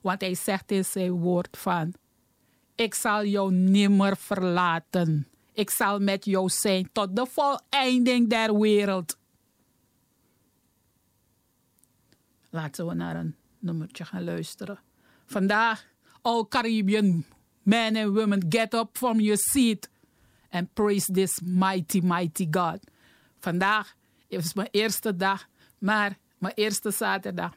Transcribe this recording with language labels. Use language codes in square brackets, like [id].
[nl] Want hij zegt in zijn woord van, ik zal jou nimmer verlaten. Ik zal met jou zijn tot de voleinding der wereld. Laten we naar een nummertje gaan luisteren. [en] Vandaag, all Caribbean men and women, get up from your seat and praise this mighty, mighty God. [nl] Vandaag is mijn eerste dag, maar mijn eerste zaterdag.